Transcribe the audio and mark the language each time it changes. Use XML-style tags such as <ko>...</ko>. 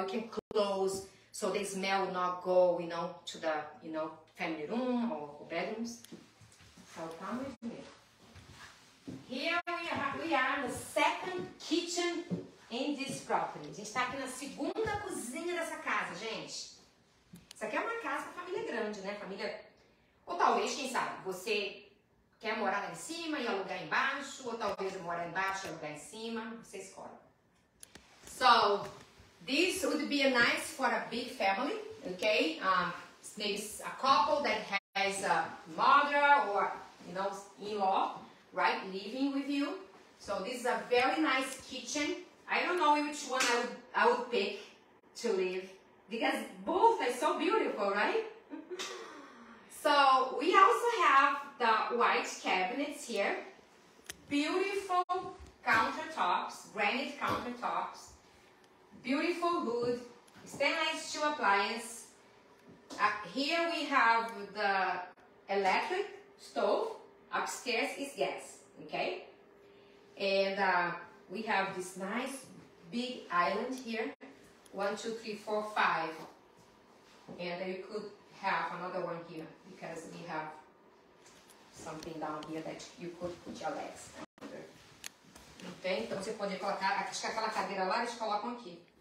<en>You can close so the smell will not go, you know, to the, you know, family room or bedrooms. So come with me. Here we are in the second kitchen in this property.</en> <pt>A gente está aqui na segunda cozinha dessa casa, gente. Isso aqui é uma casa com família grande, né? Família. Ou talvez, quem sabe, você quer morar lá em cima e alugar embaixo, ou talvez morar embaixo e alugar em cima. Você escolhe.</pt> <en>So, this would be a nice for a big family, okay? Maybe a couple that has a mother or, you know, in-law, right, living with you. So this is a very nice kitchen. I don't know which one I would pick to live, because both are so beautiful, right? So we also have the white cabinets here. Beautiful countertops, granite countertops. Beautiful wood, stainless steel appliance. Here we have the electric stove. Upstairs is gas, okay? And we have this nice big island here. 1, 2, 3, 4, 5. And you could have another one here because we have something down here that you could put your legs under.</en> <pt>Okay, então você pode colocar, acho que aquela cadeira lá, eles colocam aqui.</pt>